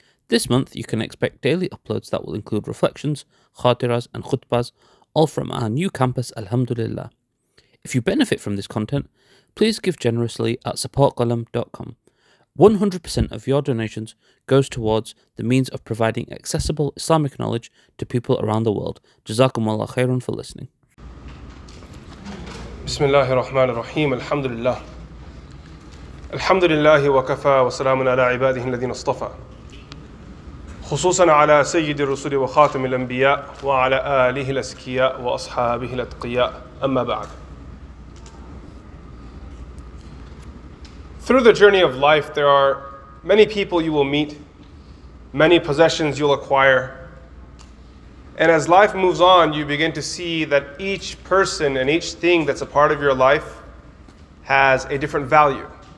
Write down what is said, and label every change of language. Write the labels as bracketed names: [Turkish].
[English] This month, you can expect daily uploads that will include reflections, khatiras, and khutbas, all from our new campus, alhamdulillah. If you benefit from this content, please give generously at supportqalam.com. 100% of your donations goes towards the means of providing accessible Islamic knowledge to people around the world. Jazakum Allah khairan for listening. [Arabic] بسم الله الرحمن الرحيم الحمد لله الحمد لله وكفى وسلام على عباده الذين اصطفى خصوصا على سيد الرسل وخاتم الأنبياء وعلى آله الأزكياء وأصحابه الأتقياء أما بعد. [English] Through the journey of life there are many people you will meet, many possessions you'll acquire. And as life moves on, you begin to see that each person and each thing that's a part of your life has a different value.